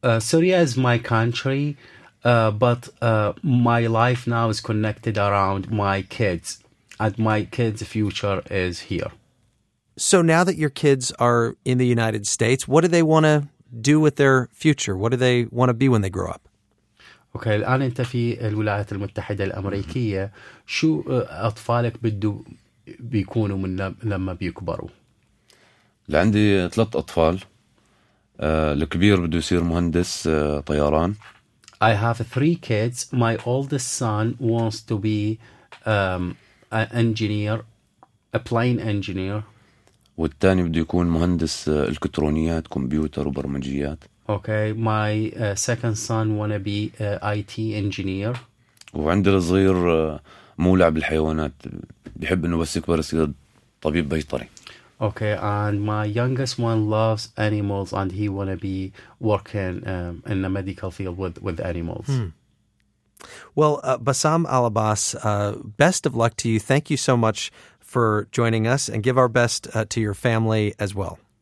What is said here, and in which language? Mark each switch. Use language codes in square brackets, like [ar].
[en] Syria is my country, but my life now is connected around my kids, and my kids' future is here. So now that your kids are in the United States, what do they want to do with their future? What do they want to be when they grow up? [ar] Okay, الآن أنت في الولايات المتحدة الأمريكية، شو أطفالك بدو بيكونوا من لما بيكبروا؟ لعندي ثلاث أطفال. الكبير بدو يصير مهندس طيران. [en] I have three kids. My oldest son wants to be an engineer, a plane engineer. [ar] والثاني بده يكون مهندس الكترونيات كمبيوتر وبرمجيات. [en] Okay, my second son wanna be IT engineer. [ar] وعندي الصغير مولع بالحيوانات، بيحب انه بس يكبر يصير طبيب بيطري. [en] Okay, and my youngest one loves animals and he wanna be working in the medical field with animals. Well, Bassam Al-Abbas, best of luck to you. Thank you so much for joining us, and give our best to your family as well.